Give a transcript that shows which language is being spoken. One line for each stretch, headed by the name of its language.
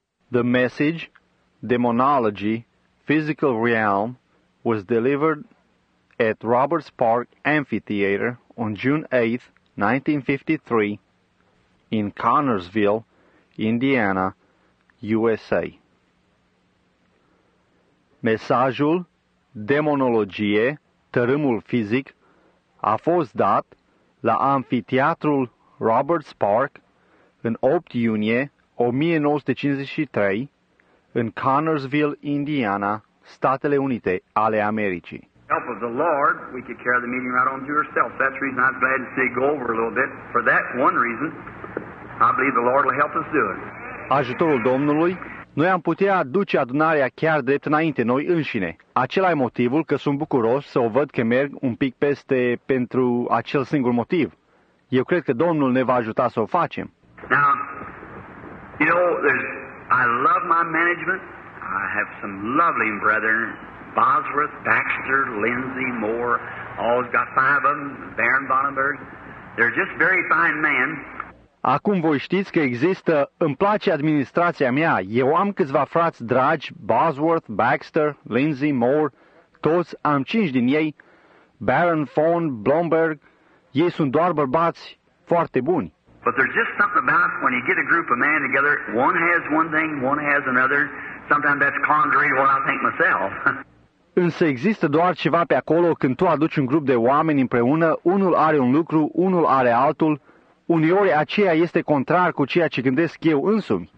English: The message, Demonology, Physical Realm, was delivered at Roberts Park Amphitheater on June 8, 1953, in Connersville, Indiana, USA.
Romanian: Mesajul Demonologie, Tărâmul Fizic, a fost dat la Amfiteatrul Roberts Park în 8 iunie 1953 în Connersville, Indiana, Statele Unite ale Americii.
English: Help of the Lord, we could carry the meeting right on to yourself. That's the reason I'm glad to see it go over a little bit. For that one reason, I believe the Lord will help us do it.
Romanian: Ajutorul Domnului, noi am putea aduce adunarea chiar drept înainte, noi înșine. Acela e motivul că sunt bucuros să o văd că merg un pic peste pentru acel singur motiv. Eu cred că Domnul ne va ajuta să o facem.
English: Now, you know, I love my management. I have some lovely brethren. Bosworth, Baxter, Lindsay, Moore, all got five of them, Baron Bonnenberg. They're just very fine men.
Romanian: Acum voi știți că există, îmi place administrația mea, eu am câțiva frați dragi, Bosworth, Baxter, Lindsay, Moore, toți am cinci din ei, Baron, Fawn, Blomberg, ei sunt doar bărbați foarte buni.
English: But there's just something about when you get a group of men together, one has one thing, one has another, sometimes that's contrary to what I think myself.
Romanian: Însă există doar ceva pe acolo când tu aduci un grup de oameni împreună, unul are un lucru, unul are altul, uneori aceea este contrar cu ceea ce gândesc eu însumi.